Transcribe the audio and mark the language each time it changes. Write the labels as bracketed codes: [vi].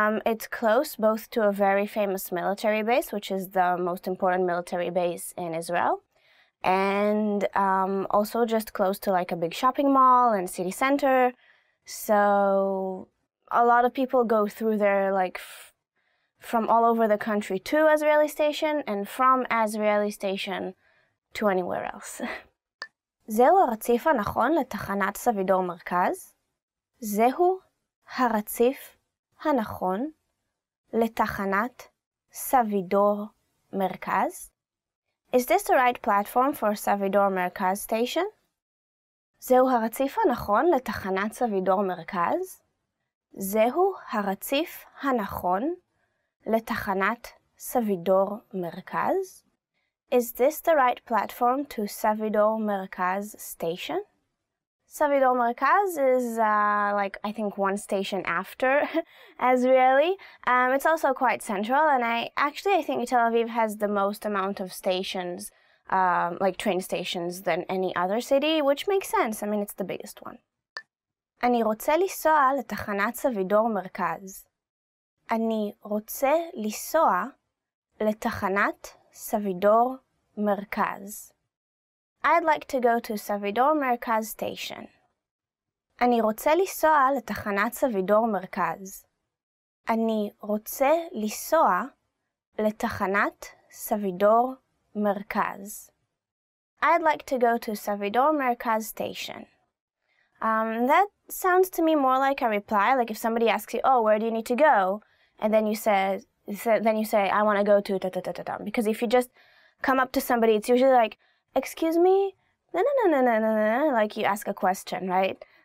[en] It's close both to a very famous military base, which is the most important military base in Israel, and also just close to like a big shopping mall and city center. So a lot of people go through there, like from all over the country to Azrieli Station and from Azrieli Station to anywhere else. [he] זהו הרציף הנכון לתחנת סבידור מרכז? זהו הרציף הנכון לתחנת סבידור מרכז? [en] Is this the right platform for סבידור מרכז station? [he] זהו הרציף הנכון לתחנת סבידור מרכז? זהו הרציף הנכון לתחנת סבידור מרכז? [en] Is this the right platform to סבידור מרכז station? סבידור מרכז is like I think one station after Azrieli. It's also quite central, and I think Tel Aviv has the most amount of stations, like train stations, than any other city, which makes sense. I mean, it's the biggest one. [he] אני רוצה לנסוע לתחנת סבידור מרכז. אני רוצה לנסוע לתחנת סבידור מרכז. [en] I'd like to go to סבידור מרכז station. [he] אני רוצה לנסוע לתחנת סבידור מרכז. אני רוצה לנסוע לתחנת סבידור מרכז. [en] I'd like to go to סבידור מרכז station. That sounds to me more like a reply, like if somebody asks you, "Oh, where do you need to go?" and then you say, "I want to go to ta ta ta ta ta." Because if you just come up to somebody, it's usually like, "Excuse me?" No, like you ask a question, right?